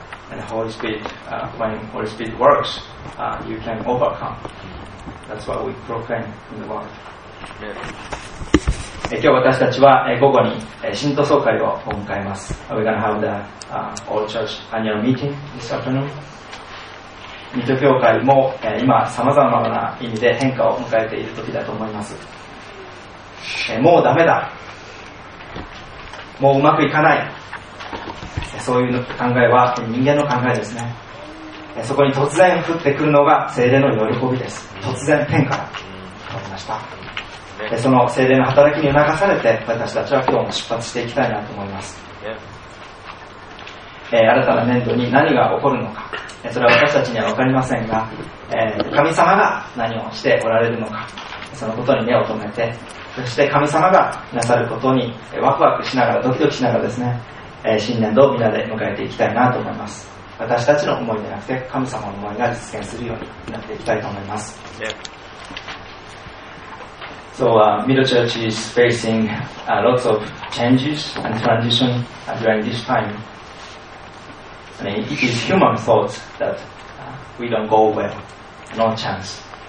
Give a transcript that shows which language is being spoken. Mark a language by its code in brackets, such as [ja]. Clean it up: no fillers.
[en] and Holy Spirit, when Holy Spirit works, you can overcome. That's what we proclaim in the world. Yeah. [ja] 今日私たちは午後に信徒総会を迎えます。 [en] We're gonna have the all church annual meeting this afternoon. [ja] 水戸教会も今さまざまな意味で変化を迎えている時だと思います。もうダメだ、もううまくいかない、そういう考えは人間の考えですね。そこに突然降ってくるのが聖霊の喜びです。突然天から降りました。その聖霊の働きに促されて私たちは今日も出発していきたいなと思います。新たな年度に何が起こるのか、それは私たちには分かりませんが、神様が何をしておられるのか、そのことに目を留めて、そして神様がなさることにワクワクしながらドキドキしながらですね、新年度をみんなで迎えていきたいなと思います。私たちの思いではなくて神様の思いが実現するようになっていきたいと思います。 [en] So Middle Church is facing lots of changes and transition during this timeAnd it is human thoughts that we don't go well, no chance.